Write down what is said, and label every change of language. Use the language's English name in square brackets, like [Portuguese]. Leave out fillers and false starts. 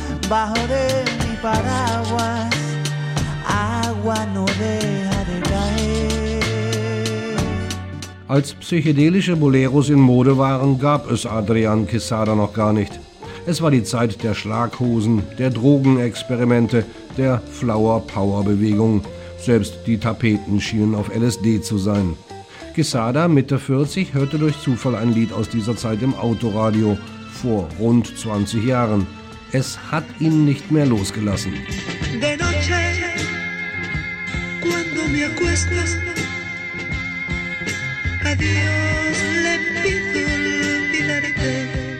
[Spanish] Bajo de mi paraguas, agua no deja de caer. [German] Als psychedelische Boleros in Mode waren, gab es Adrian Quesada noch gar nicht. Es war die Zeit der Schlaghosen, der Drogenexperimente, der Flower Power Bewegung. Selbst die Tapeten schienen auf LSD zu sein. Quesada, Mitte 40, hörte durch Zufall ein Lied aus dieser Zeit im Autoradio, vor rund 20 Jahren. Es hat ihn nicht mehr losgelassen. [Spanish] De noche, cuando me acuestas, a Dios le pido olvidarte.